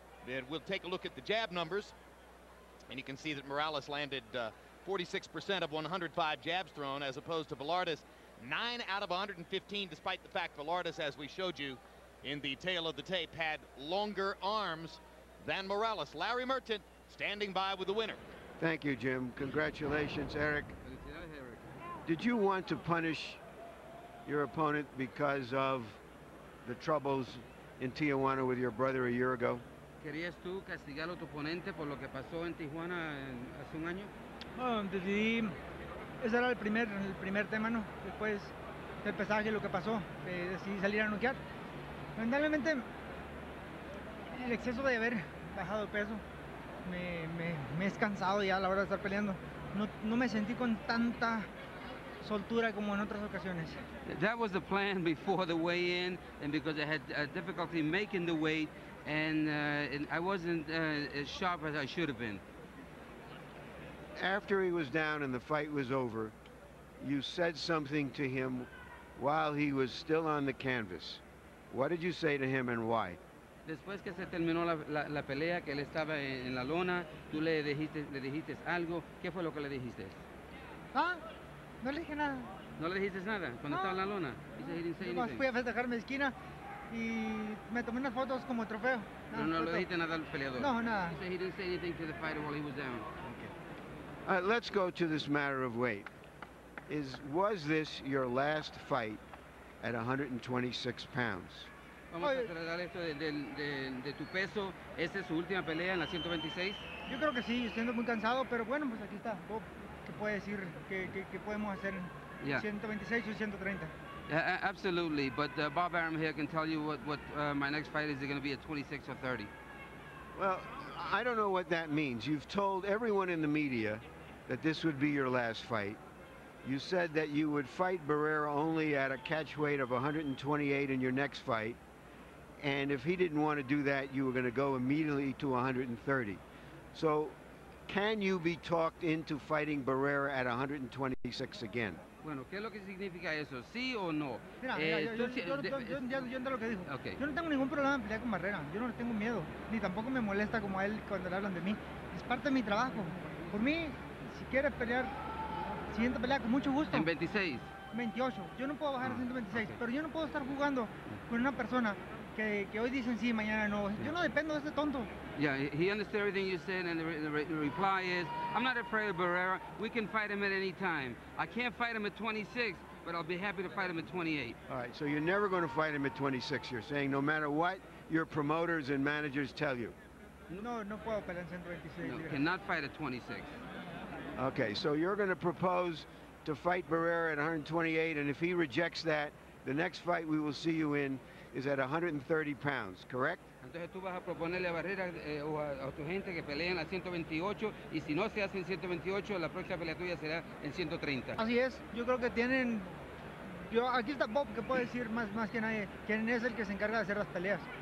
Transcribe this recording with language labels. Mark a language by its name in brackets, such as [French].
[English] Then we'll take a look at the jab numbers, and you can see that Morales landed 46% of 105 jabs thrown, as opposed to Velardez, 9 out of 115, despite the fact Velardez, as we showed you in the tail of the tape, had longer arms than Morales. Larry Merchant standing by with the winner. Thank you, Jim. Congratulations, Erik. Did you want to punish your opponent because of the troubles in Tijuana with your brother a year ago? [Spanish] ¿Querías tú castigar a tu oponente por lo que pasó en Tijuana hace un año? Bueno, decidí, ese era el primer tema, ¿no? Después del pesaje, lo que pasó, decidí salir a noquear. Lamentablemente, el exceso de haber bajado de peso, me es cansado ya a la hora de estar peleando. No me sentí con tanta soltura como en otras ocasiones. [English] That was the plan before the weigh-in, and because I had difficulty making the weight, and I wasn't as sharp as I should have been. After he was down and the fight was over, you said something to him while he was still on the canvas. What did you say to him and why? [Spanish] Después que se terminó la pelea, que él estaba en la lona, tú le dijiste algo. ¿Qué fue lo que le dijiste? ¿Ah? No le dije nada. ¿No le dijiste nada cuando estaba en la lona? No, fui a festejar mi esquina y me tomé unas fotos como trofeo. No, no le dijiste nada al peleador. No, nada. [English] He said he didn't say anything to the fighter while he was down. Okay. Let's go to this matter of weight. Was this your last fight at 126 pounds? [Spanish] Vamos a tratar esto de tu peso. ¿Esta es su última pelea en la 126? Yo creo que sí. Estoy muy cansado, pero bueno, pues aquí está. Puede decir que podemos hacer, [English] yeah. [Spanish] 126 o 130. [English] Absolutely, but Bob Arum here can tell you what my next fight is going to be, at 26 or 30. Well, I don't know what that means. You've told everyone in the media that this would be your last fight. You said that you would fight Barrera only at a catch weight of 128 in your next fight, and if he didn't want to do that, you were going to go immediately to 130. So can you be talked into fighting Barrera at 126 again? [Spanish] Bueno, ¿qué es lo que significa eso? ¿Sí o no? Yo entiendo lo que dijo. [English] Okay. [Spanish] Yo no tengo ningún problema en pelear con Barrera. Yo no le tengo miedo. Ni tampoco me molesta como a él cuando le hablan de mí. Es parte de mi trabajo. Por mí, si quieres pelear, siguiente pelea, con mucho gusto. ¿En 26? 28. Yo no puedo bajar a 126. Okay. Pero yo no puedo estar jugando con una persona que hoy dicen sí, mañana no. Yo no dependo de ese tonto. [English] Yeah, he understood everything you said, and the reply is, I'm not afraid of Barrera. We can fight him at any time. I can't fight him at 26, but I'll be happy to fight him at 28. All right, so you're never going to fight him at 26, you're saying, no matter what your promoters and managers tell you. [Spanish] No, no puedo pelear en 126. [English] No, yeah. Cannot fight at 26. Okay, so you're going to propose to fight Barrera at 128, and if he rejects that, the next fight we will see you in is at 130 pounds, correct? [Spanish] Entonces tú vas a proponerle barrera a tu gente que peleen a 128 y si no se hacen 128, la próxima pelea tuya será en 130. Así es, yo creo que tienen... Yo, aquí está Bob que puede decir más, más que nadie quién es el que se encarga de hacer las peleas.